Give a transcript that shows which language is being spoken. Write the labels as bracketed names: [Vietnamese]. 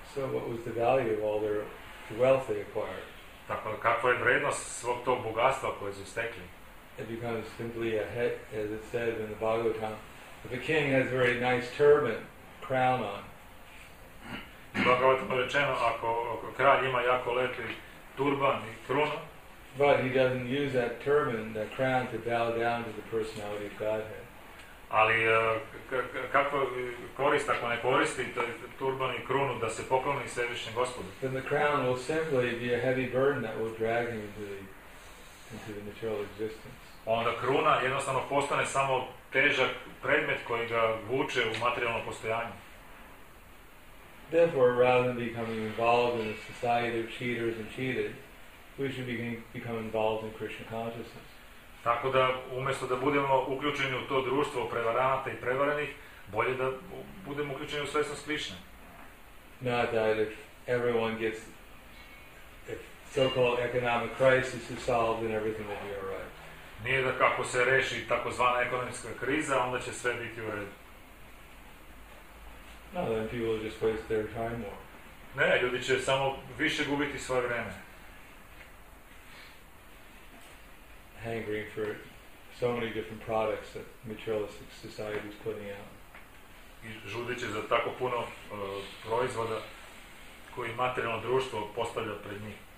[English] So what was the value of all their wealth they acquired? [Serbian] Tako kakva je vrednost svog tog bogatstva koje su stekli? [English] It becomes simply a head, as it says in the Bhagavatam. If a king has a very nice turban, crown on. [Serbian] Bhagavatam rečeno, ako kralj ima jako lepi turban i krunu, [English] but he doesn't use that turban, that crown, to bow down to the personality of Godhead. [Serbian] Ali kako korist ako ne koristi turban i krunu da se pokloni svevišnjem Gospodu? [English] Then the crown will simply be a heavy burden that will drag him into the material existence. [Serbian] Onda kruna jednostavno postane samo težak predmet koji ga vuče u materijalno postojanje. [English] Therefore, rather than becoming involved in a society of cheaters and cheated, we should become involved in Krishna consciousness. [Serbian] Tako da umjesto da budemo uključeni u to društvo prevaranata i prevarenih, bolje da budemo uključeni u svjesnost Krišne. [English] Not that if everyone gets if so-called economic crisis is solved, then everything will be all right. [Serbian] Nije da kako se reši takozvana ekonomska kriza, onda će sve biti u redu. [English] No, then people will just waste their time more. [Serbian] Ne, ljudi će samo više gubiti svoje vrijeme. [English] Hankering for so many different products that materialistic society is putting out. [Serbian] Žudeći za tako puno proizvoda koji materijalno društvo postavlja pred njih.